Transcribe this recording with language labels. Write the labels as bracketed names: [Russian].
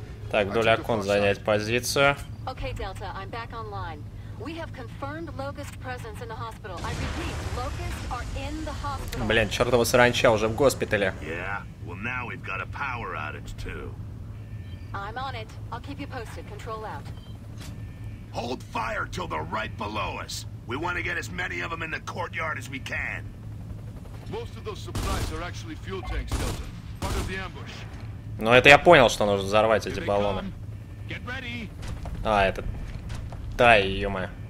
[Russian] Так, вдоль окон занять позицию. Окей, Дельта, я снова онлайн. Мы подтвердили присутствие локуста в госпитале. Я повторяю, локусты в госпитале. Блин, чертова саранча уже в госпитале. Да, ну теперь у нас есть power-outage, тоже. Я на это. Я тебя посмотрю. Контроль out. [English] Hold fire till they're right below us. We want to get as many of them in the courtyard as we can. Most of those supplies are actually fuel tanks, Delta. Part of the ambush. [Russian] Но это я понял, что нужно взорвать эти баллоны. А, это... Да, ё-моё.